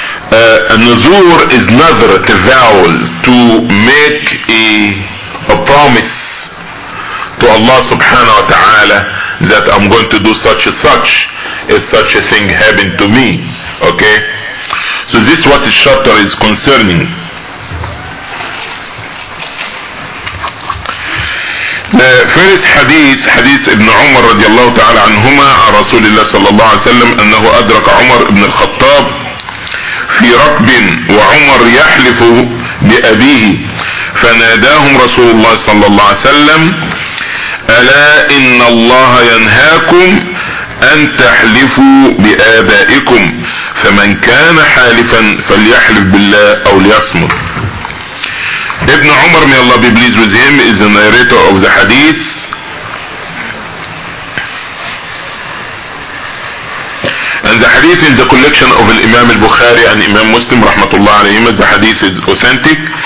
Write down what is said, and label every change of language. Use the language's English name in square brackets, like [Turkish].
[English] Nazur is nazr, tawawul, to make a promise to Allah subhanahu wa ta'ala that I'm going to do such and such if such a thing happened to me. Okay? So this is what the chapter is concerning. The first hadith, hadith Ibn Umar radiallahu ta'ala anhuma, [Arabic] عن Rasulullah sallallahu alayhi wa sallam, أنه أدرك عمر ابن الخطاب في ركب وعمر يحلف بأبيه فناداهم رسول الله صلى الله عليه وسلم ألا إن الله ينهاكم أن تحلفوا بآبائكم فمن كان حالفا فليحلف بالله أو ليصمت. [English] Ibn Umar, may Allah be pleased with him, is the narrator of the hadith. And the hadith in the collection of Imam al-Bukhari and Imam Muslim, rahmatullah alayhim, the hadith is authentic.